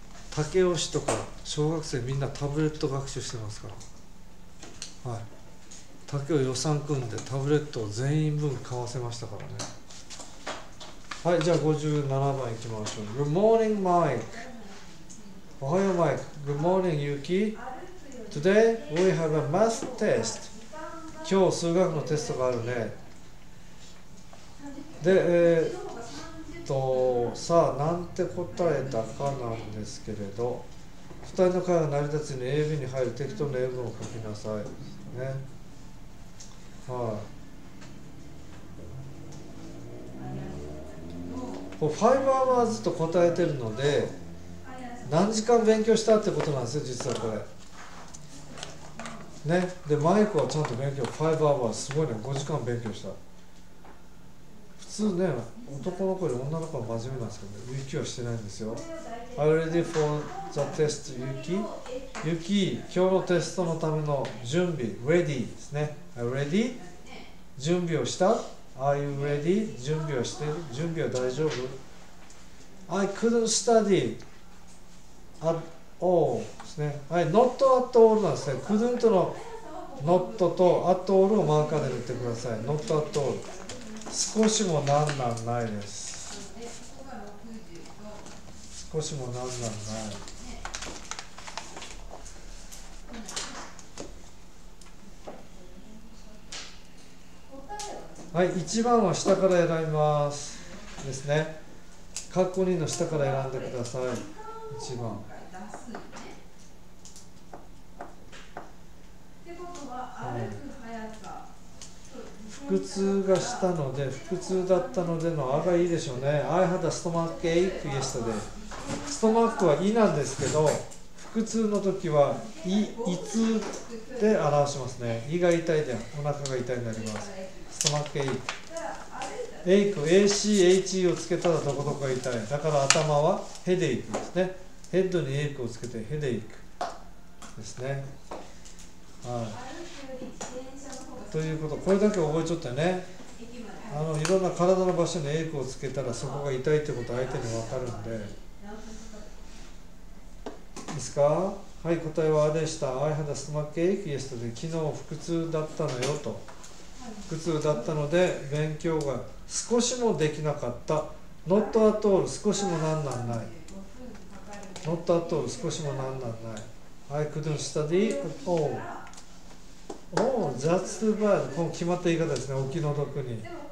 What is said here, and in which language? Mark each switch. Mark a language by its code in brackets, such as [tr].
[ja] 武雄市とか小学生みんなタブレット学習してますから、はい、武雄予算組んでタブレットを全員分買わせましたからね。はい、じゃあ57番いきましょう。 [en] Good morning, Mike. [ja] おはよう、マイク。 [en] Good morning, Yuki. Today, we have a math test. [ja] 今日、数学のテストがあるね。で、さあ、なんて答えたかなんですけれど、2人の会話が成り立つように AB に入る適当な英文を書きなさい。ね。はい。 5 hours と答えてるので何時間勉強したってことなんですよ、実はこれね。で、マイクはちゃんと勉強、5 hours すごいね、5時間勉強した。普通ね、男の子より女の子は真面目なんですけどね、雪はしてないんですよ。 [en] Are you ready for the test, Yuki? [ja] Yuki、 今日のテストのための準備、 ready ですね。 [en] Are you ready? [ja] 準備をした、 [en] Are you ready? [ja] 準備はしてる、準備は大丈夫。 [en] I couldn't study at all [ja] ですね。はい、 [en] not at all [ja] なんですね。couldn't の not と at all をマーカーで塗ってください。 [en] not at all、 [ja] 少しもなんなんないです。少しもなんなんない。はい、1番は下から選びますですね。カッコ2の下から選んでください。1番腹痛がしたので、腹痛だったのでのあがいいでしょうね。 [en] I had a stomach ache yesterday。 [ja] ストマックはイなんですけど、腹痛の時はイ、イ痛で表しますね。胃が痛いで、お腹が痛いになります。ストマックエイク、エイク、 ACHE をつけたらどこどこ痛い、だから頭はヘデイクですね。ヘッドにエイクをつけてヘデイクですね、はい、ということ、これだけ覚えちゃったね。あの、いろんな体の場所にエイクをつけたらそこが痛いってこと相手に分かるんで、ですか。はい、答えはあれでした。 [en] I had a stomach ache yesterday、 [ja] 昨日腹痛だったのよと。苦痛だったので勉強が少しもできなかった。 [en] not at all、 [ja] 少しもなんなんない。not at all、 少しもなんなんない。 [en] I couldn't study at all。 oh, that's too bad。 [ja] もう決まった言い方ですね、お気の毒に。